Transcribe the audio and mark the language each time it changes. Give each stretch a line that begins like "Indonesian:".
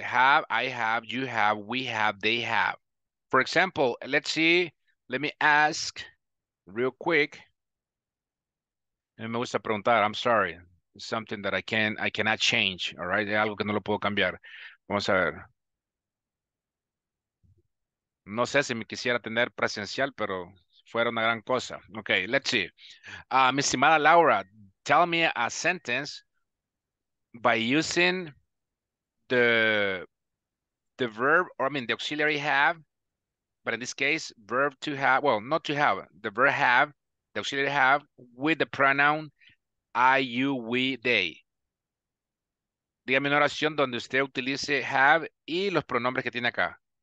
English: Have, I have, you have, we have, they have. For example, let's see, let me ask real quick.
Spanish: Me gusta preguntar,
English: I'm sorry. Something that I cannot change, all right?
Spanish: Es algo que no lo puedo cambiar. Vamos a ver. No sé si me quisiera tener presencial, pero fuera una gran cosa.
English: Okay, let's see.
Spanish: Mi estimada
English: Laura, tell me a sentence by using the verb, or I mean the auxiliary have, but in this case, verb to have, well, not to have, the verb have, the auxiliary have with the pronoun I, you, we, they.
Spanish: Dígame una oración donde usted utilice have y los pronombres que tiene acá.